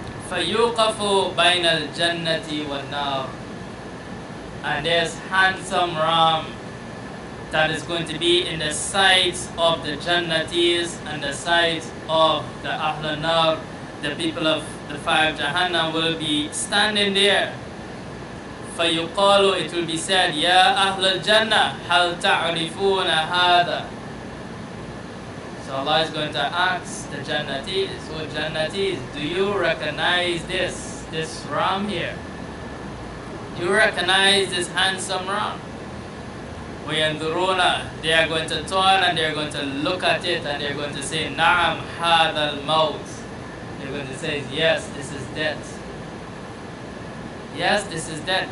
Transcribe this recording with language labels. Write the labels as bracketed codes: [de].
[ar] فَيُوقَفُ بَيْنَ الْجَنَّةِ وَالنَّارِ, [en] and there's handsome ram that is going to be in the sight of the Jannatis and the sight of the Ahlul Nar, the people of the fire of Jahannam will be standing there. [ar] فَيُقَالُ, [en] it will be said, [ar] يَا أَهْلَ الْجَنَّةِ هَلْ تَعْرِفُونَ هَذَا. [en] So Allah is going to ask the Jannatis, O Jannatis, do you recognize this ram here? Do you recognize this handsome ram? وَيَنْذُرُونَ, they are going to turn and they are going to look at it and they are going to say, [ar] نَعَمْ هَذَا الْمَوْتِ, [en] they are going to say, yes, this is death. yes, this is death.